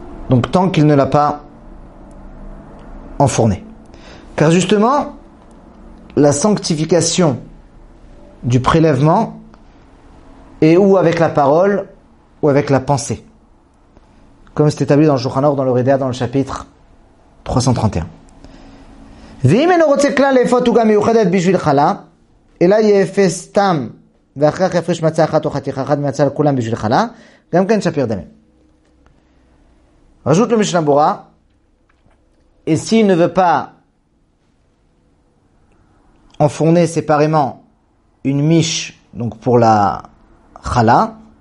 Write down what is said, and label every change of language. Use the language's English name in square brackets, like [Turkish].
[French] Donc tant qu'il ne l'a pas enfourné. Car justement, la sanctification du prélèvement et ou avec la parole ou avec la pensée. Comme c'est établi dans le Shulchan Aruch, dans le Rida, dans le chapitre 331. [Hebrew] ואם אינו רוצה כלל לאפות עוגה מיוחדת בשביל חלה, אלא יאפה סתם, ואחר כך יפריש מצה אחת או חתיכה אחת מצה לכולם בשביל חלה, גם כן שפיר דמים. רשות למשנה ברורה, [French] et s'il ne veut pas enfourner séparément une miche, donc pour la chala,